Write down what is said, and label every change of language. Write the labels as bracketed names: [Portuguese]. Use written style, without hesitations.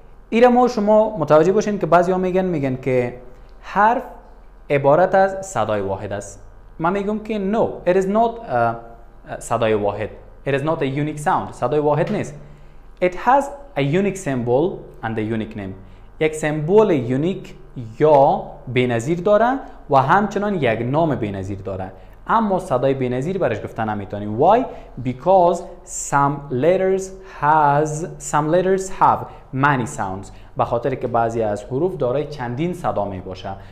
[Persian] ایره ما شما متوجه باشین که بعضی ها میگن که حرف عبارت از صدای واحد است. من میگم که [English] no, it is not [Persian] صدای واحد. [English] It is not a unique sound. [Persian] صدای واحد نیست. [English] It has a unique symbol and a unique name. [Persian] یک سمبول یونیک یا بی‌نظیر داره و همچنان یک نام بی‌نظیر داره. اما صدای بی‌نظیر برش گفته نمیتونیم. [English] Why? Because some letters have many sounds. [Persian] به خاطر که بعضی از حروف دارای چندین صدا می باشه.